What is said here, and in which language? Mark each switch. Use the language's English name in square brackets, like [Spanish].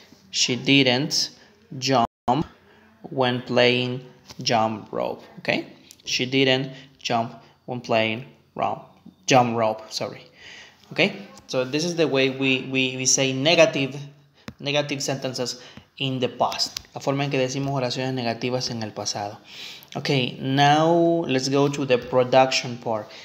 [English] She didn't jump when playing jump rope, okay? She didn't jump when playing jump rope. Okay? So this is the way we say negative sentences in the past. [Spanish] La forma en que decimos oraciones negativas en el pasado. [English] Okay, now let's go to the production part.